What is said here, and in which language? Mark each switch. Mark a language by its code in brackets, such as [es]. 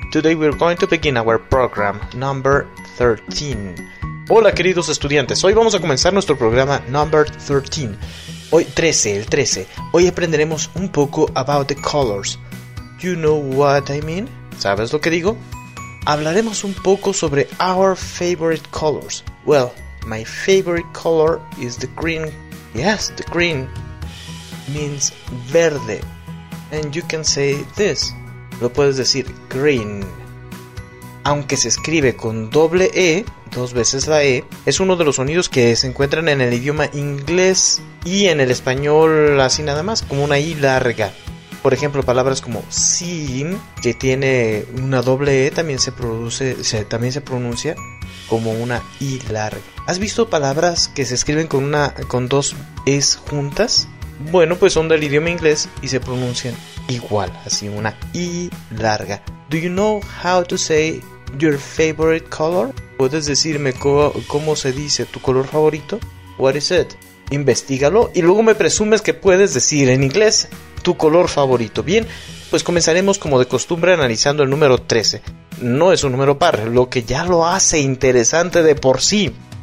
[en] Today we're going to begin our program number 13. [es] Hola, queridos estudiantes. Hoy vamos a comenzar nuestro programa [en] number 13. [es] Hoy 13. Hoy aprenderemos un poco [en] about the colors. You know what I mean? [es] ¿Sabes lo que digo? Hablaremos un poco sobre [en] our favorite colors. Well, my favorite color is the green. Yes, the green means verde. And you can say this. [es] Lo puedes decir [en] green. [es] Aunque se escribe con doble E, dos veces la E, es uno de los sonidos que se encuentran en el idioma inglés y en el español así nada más, como una I larga. Por ejemplo, palabras como seen, que tiene una doble E, también se pronuncia como una I larga. ¿Has visto palabras que se escriben con dos E's juntas? Bueno, pues son del idioma inglés y se pronuncian igual, así una I larga. [en] Do you know how to say your favorite color? [es] ¿Puedes decirme cómo se dice tu color favorito? [en] What is it? [es] Investígalo y luego me presumes que puedes decir en inglés tu color favorito. Bien, pues comenzaremos como de costumbre analizando el número 13. No es un número par, lo que ya lo hace interesante de por sí.